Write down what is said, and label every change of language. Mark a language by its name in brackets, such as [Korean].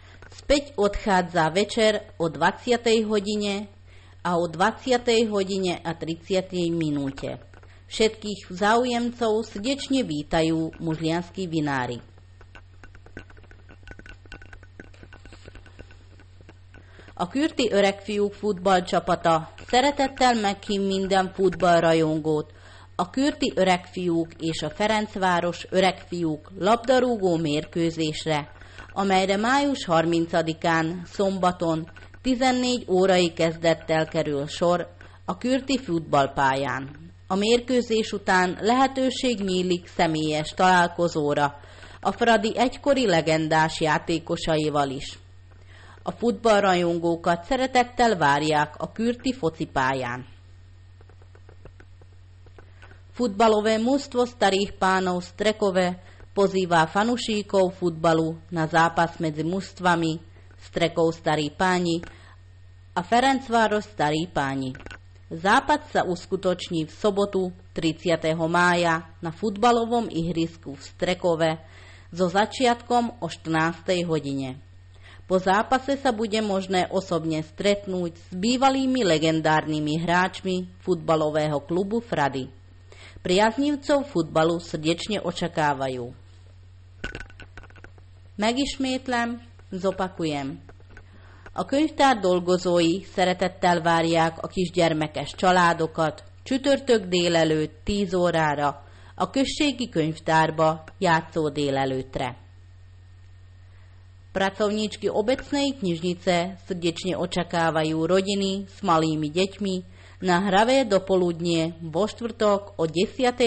[Slovak] Späť odchádza večer o 20. hodine a o 20. hodine a 30. minúte. Všetkých záujemcov srdečne vítajú mužlianskí vinári. [Hungarian] A kürti öregfiúk futballcsapata szeretettel meghív minden futballrajongót a kürti öregfiúk és a Ferencváros öregfiúk labdarúgó mérkőzésre, amelyre május 30-án szombaton 14 órai kezdettel kerül sor a kürti futballpályán. A mérkőzés után lehetőség nyílik személyes találkozóra a Fradi egykori legendás játékosaival is. A futballrajongókat szeretettel várják a kürti focipályán. [Slovak] Futbalové mužstvo starých pánov Strekove pozýva fanušíkov futbalu na zápas medzi mužstvami Strekov starí páni a Ferencváros starí páni. Zápas sa uskutoční v sobotu 30. mája na futbalovom ihrisku v Strekove so začiatkom o 14. hodine. Po zápase sa bude možné osobne stretnúť s bývalými legendárnymi hráčmi futbalového klubu Fradi. Priaznivcov futbalu srdečne očakávajú. [Hungarian] Megismétlem, [Slovak] zopakujem. [Hungarian] A könyvtár dolgozói szeretettel várják a kisgyermekes családokat csütörtök délelőtt 10 órára a községi könyvtárba játszó délelőtre. [Slovak] Pracovníčky obecnej knižnice srdečne očakávajú rodiny s malými deťmi na hravé dopoludnie vo štvrtok o 10.